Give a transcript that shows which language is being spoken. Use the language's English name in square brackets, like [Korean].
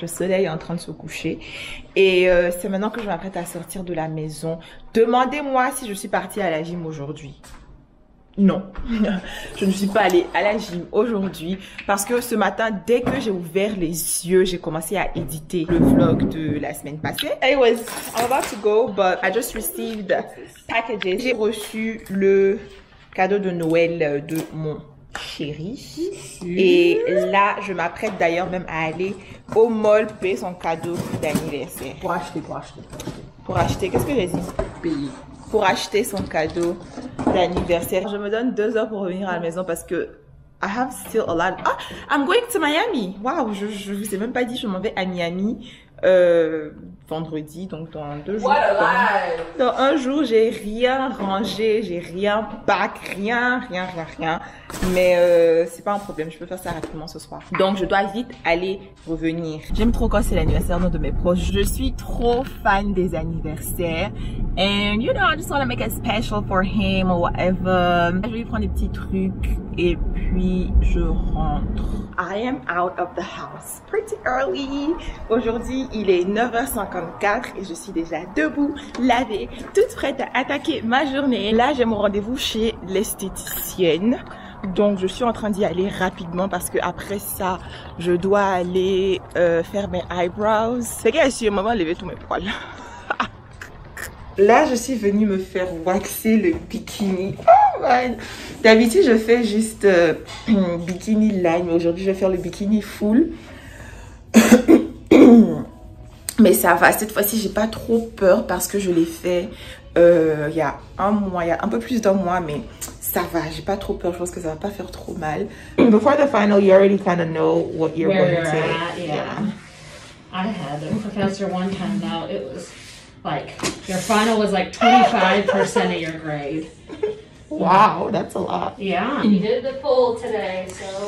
[French] Le soleil est en train de se coucher. Et c'est maintenant que je m'apprête à sortir de la maison. Demandez-moi si je suis partie à la gym aujourd'hui. Non, je ne suis pas allée à la gym aujourd'hui parce que ce matin, dès que j'ai ouvert les yeux, j'ai commencé à éditer le vlog de la semaine passée. [English] Anyways, I'm about to go, but I just received packages. [French] J'ai reçu le cadeau de Noël de mon chéri. Et là, je m'apprête d'ailleurs même à aller au mall pour payer son cadeau d'anniversaire. Pour acheter, qu'est-ce que j'ai dit? Payer. Pour acheter son cadeau d'anniversaire. Je me donne 2 heures pour revenir à la maison parce que [English] I have still a lot. Ah, I'm going to Miami. [French] Waouh, je vous ai même pas dit, je m'en vais à Miami vendredi, donc dans 2 jours. [English] What a lie. [French] Dans un jour, j'ai rien rangé, j'ai rien pack, rien. Mais c'est pas un problème, je peux faire ça rapidement ce soir. Donc je dois vite aller revenir. J'aime trop quand c'est l'anniversaire d'un de mes proches. Je suis trop fan des anniversaires. [English] And you know, I just want to make it special for him or whatever. [French] Je vais lui prendre des petits trucs et puis je rentre. [English] I am out of the house pretty early. [French] Aujourd'hui, il est 9h54 et je suis déjà debout, lavée, toute prête à attaquer ma journée. Là, j'ai mon rendez-vous chez l'esthéticienne. Donc, je suis en train d'y aller rapidement parce que après ça, je dois aller faire mes eyebrows. C'est qu'elle suit au moment de lever tous mes poils. Là, je suis venue me faire waxer le bikini. Oh man! D'habitude, je fais juste bikini line. Aujourd'hui, je vais faire le bikini full. Mais ça va. Cette fois-ci, j'ai pas trop peur parce que je l'ai fait il y a un mois, il y a un peu plus d'un mois. Mais ça va. J'ai pas trop peur. Je pense que ça va pas faire trop mal. [English] Before the final, you already kind of know what you're Where going to at, yeah. I had a professor one time now. It was. Like, your final was like 25% of your grade. Wow, that's a lot. Yeah. You did the poll today, so.